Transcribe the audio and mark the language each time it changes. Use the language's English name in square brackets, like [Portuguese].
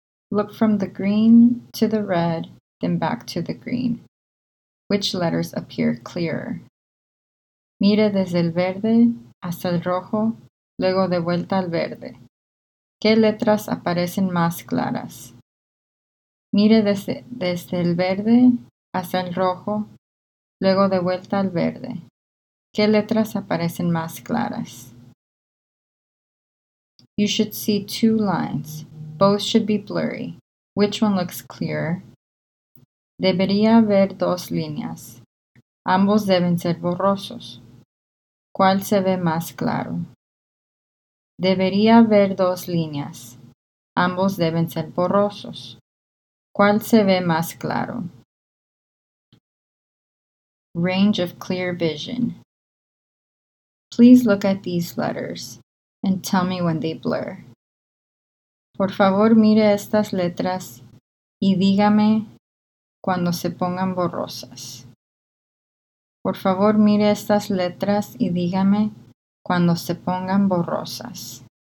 [English] Look from the green to the red, then back to the green. Which letters appear clearer? [Spanish] Mire desde el verde hasta el rojo, luego de vuelta al verde. ¿Qué letras aparecen más claras? Mire desde el verde hasta el rojo, luego de vuelta al verde. ¿Qué letras aparecen más claras? [English] You should see two lines. Both should be blurry. Which one looks clearer? [Spanish] Debería ver dos líneas. Ambos deben ser borrosos. ¿Cuál se ve más claro? Debería ver dos líneas. Ambos deben ser borrosos. ¿Cuál se ve más claro? [English] Range of clear vision. Please look at these letters and tell me when they blur. [Spanish] Por favor, mire estas letras y dígame cuando se pongan borrosas. Por favor, mire estas letras y dígame cuando se pongan borrosas.